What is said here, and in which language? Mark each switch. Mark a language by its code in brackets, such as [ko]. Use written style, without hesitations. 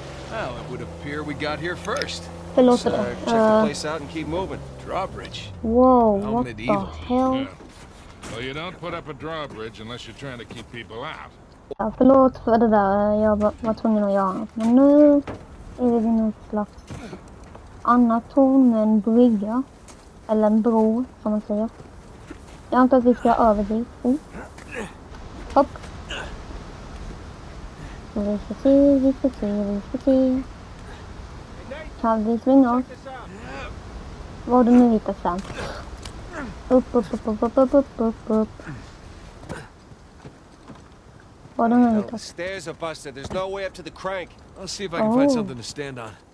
[en] Well, it would appear we got here first. Hello, check the place out and keep moving. Drawbridge. Whoa, what the hell? Yeah. Well, you don't put up a drawbridge unless you're trying to keep people out. [sv] Ja, förlåt för det där, jag var tvungen att göra. Men nu är vi något slags annat torn med en brygga. Eller en bro, som man säger. Jag antar att vi ska över dit. Hopp. Vi ska se, vi ska se, vi ska se. Kan vi svinga oss? Vad du nu hittar sen. Upp, upp, upp, upp, upp, upp, upp, upp. [en] The stairs are busted. There's no way up to the crank. I'll see if I can find something to stand on.